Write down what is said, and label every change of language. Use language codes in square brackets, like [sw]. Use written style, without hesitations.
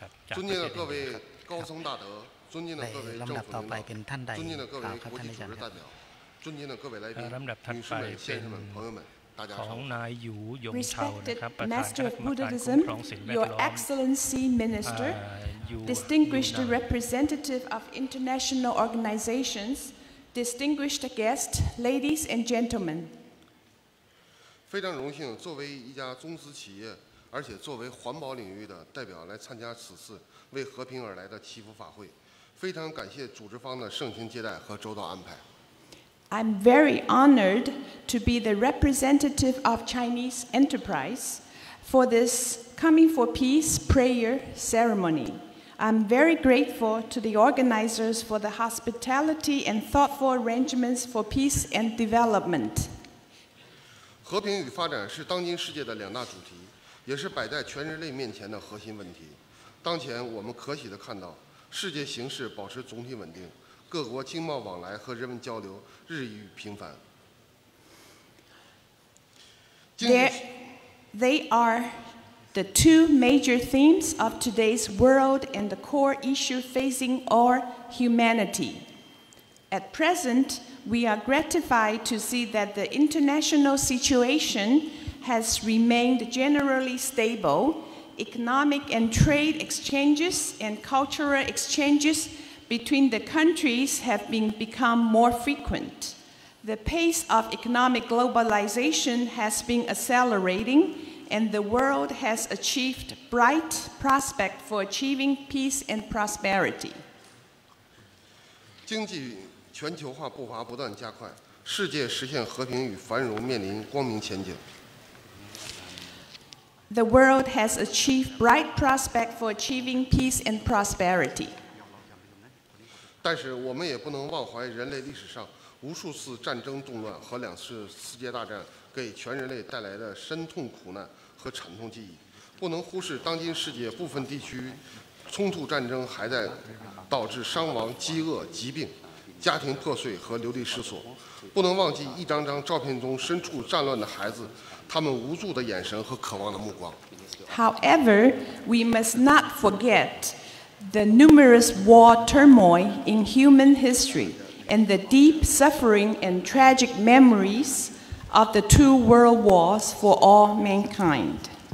[zh] 尊敬的各位高僧大德，尊敬的各位政府领导，尊敬的各位国际组织代表，尊敬的各位来宾，女士们、先生们、朋友们。 [th] ของนายหยูยงเฉาครับประธานคณะกรรมการคุ้มครองสิ่งแวดล้อม [en] Your Excellency Minister Distinguished Representative of International Organizations Distinguished Guest Ladies and Gentlemen [zh] 非常荣幸作为一家中资企业而且作为环保领域的代表来参加此次为和平而来的祈福法会非常感谢组织方的盛情接待和周到安排 [en] I'm very honored to be the representative of Chinese Enterprise for this Coming for Peace prayer ceremony. I'm very grateful to the organizers for the hospitality and thoughtful arrangements for peace and development. [zh] 和平与发展是当今世界的两大主题，也是摆在全人类面前的核心问题。当前我们可喜地看到，世界形势保持总体稳定。各国经贸往来和人文交流日益频繁。 [en] They are the two major themes of today's world and the core issue facing all humanity. At present, we are gratified to see that the international situation has remained generally stable. Economic and trade exchanges and cultural exchangesBetween the countries have become more frequent. The pace of economic globalization has been accelerating, and the world has achieved bright prospect for achieving peace and prosperity. [zh] 经济全球化步伐不断加快，世界实现和平与繁荣面临光明前景。 [en] The world has achieved bright prospect for achieving peace and prosperity. [zh] 但是我们也不能忘怀人类历史上无数次战争动乱和两次世界大战给全人类带来的深痛苦难和惨痛记忆，不能忽视当今世界部分地区冲突战争还在导致伤亡、饥饿、疾病、家庭破碎和流离失所，不能忘记一张张照片中身处战乱的孩子，他们无助的眼神和渴望的目光。 [en] However, we must not forget the numerous war turmoil in human history and the deep suffering and tragic memories of the two world wars for all mankind.